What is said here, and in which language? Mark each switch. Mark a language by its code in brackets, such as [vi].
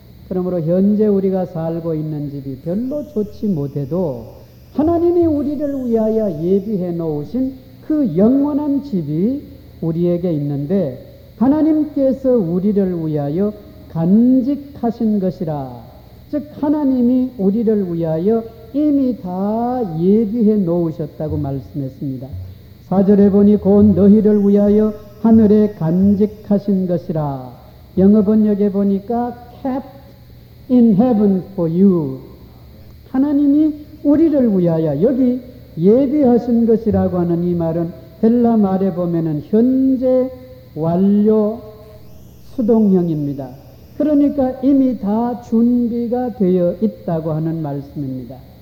[ko] 그러므로 현재 우리가 살고 있는 집이 별로 좋지 못해도 하나님이 우리를 위하여 예비해 놓으신 그 영원한 집이 우리에게 있는데 하나님께서 우리를 위하여 간직하신 것이라. 즉 하나님이 우리를 위하여 이미 다 예비해 놓으셨다고 말씀했습니다. 4절에 보니 곧 너희를 위하여 하늘에 간직하신 것이라. 영어 번역에 보니까 [en] kept in heaven for you. [ko] 하나님이 우리를 위하여 여기 예비하신 것이라고 하는 이 말은 헬라 말에 보면은 현재 완료 수동형입니다. 그러니까 이미 다 준비가 되어 있다고 하는 말씀입니다.